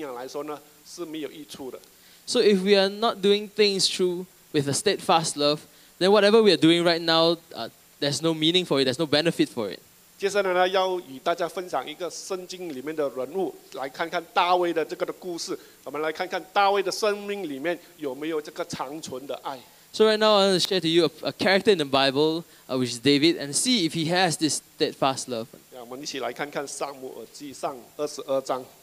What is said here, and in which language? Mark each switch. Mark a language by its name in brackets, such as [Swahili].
[Chinese] 是的，所以呢，今天呢，无论是我们讲的，刚才所分享的，假如我们没有这个长存的爱，我们所做的东西没有长存的爱，我们所做的决定没有长存的爱，一切呢，都是对于我们的信仰来说呢，是没有益处的。So [English] if we are not doing things true with a steadfast love, then whatever we are doing right now, there's no meaning for it, there's no benefit for it. [Chinese] 接下来呢，要与大家分享一个圣经里面的人物，来看看大卫的这个的故事。我们来看看大卫的生命里面有没有这个长存的爱。So [English] right now, I want to share to you a character in the Bible, which is David, and see if he has this steadfast love. [Chinese] 让我们一起来看看撒母耳记上22章。